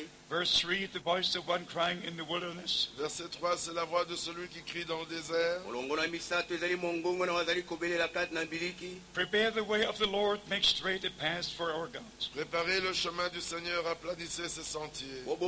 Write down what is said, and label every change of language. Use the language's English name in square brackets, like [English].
[English] Verse 3, the voice of one crying in the wilderness. [French] Verset 3, c'est la voix de celui qui crie dans le désert. [English] Prepare the way of the Lord, make straight a path for our God. [French] Préparez le chemin du Seigneur, aplanissez ses sentiers.